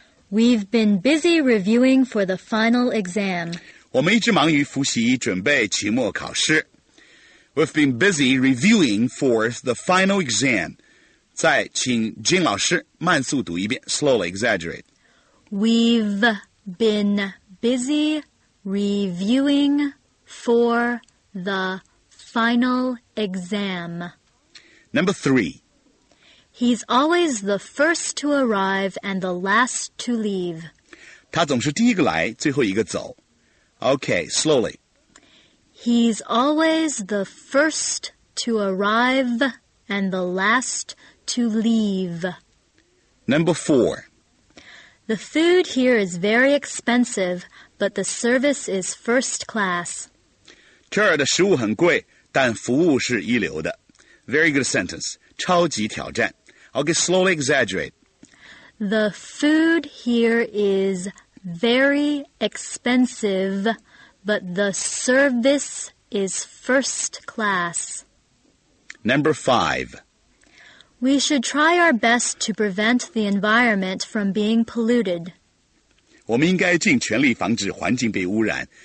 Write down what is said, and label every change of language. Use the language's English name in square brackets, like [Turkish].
[English] We've been busy reviewing for the final exam. [Chinese] 我们一直忙于复习，准备期末考试。 [English] We've been busy reviewing for the final exam. [Chinese] 再请 Jin 老师慢速读一遍 [English] slowly exaggerate. We've been busy reviewing for the final exam. Number three. He's always the first to arrive and the last to leave. [Chinese] 他总是第一个来，最后一个走。 [English] Okay, slowly. He's always the first to arrive and the last to leave. Number four. The food here is very expensive, but the service is first class. [Chinese] 这儿的食物很贵，但服务是一流的。 [English] Very good sentence. [Chinese] 超级挑战。 [English] I'll get slowly exaggerate. The food here is very expensive, but the service is first class. Number five. We should try our best to prevent the environment from being polluted. [Chinese] 我们应该尽全力防止环境被污染。